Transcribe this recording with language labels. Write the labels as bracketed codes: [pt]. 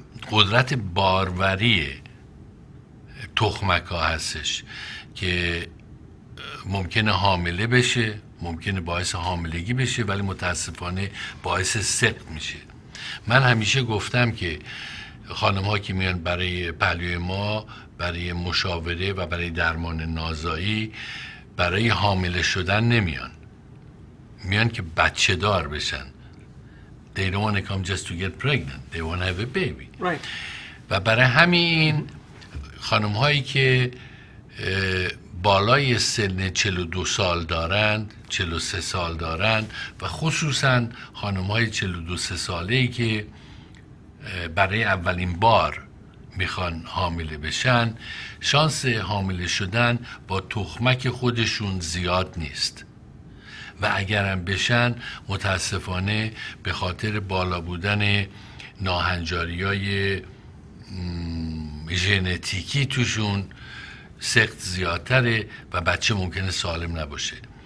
[fa] قدرت باروری تخمک ها هستش که ممکنه حامله بشه، ممکنه باعث حاملگی بشه، ولی متاسفانه باعث سقط میشه. من همیشه گفتم که خانم ها که میان برای پهلوی ما برای مشاوره و برای درمان نازایی برای حامله شدن نمیان، میان که بچه دار بشن. [en] They don't want to come just to get pregnant. They want to have a baby. Right. [fa] و برای همین خانم هایی که بالای سن 42 سال دارند، 43 سال دارند و خصوصا خانم های 42 ساله ای که برای اولین بار میخوان حامله بشن، شانس حامله شدن با تخمک خودشون زیاد نیست و اگرم بشن متاسفانه به خاطر بالا بودن ناهنجاری‌های ژنتیکی توشون سقط زیادتره و بچه ممکنه سالم نباشه.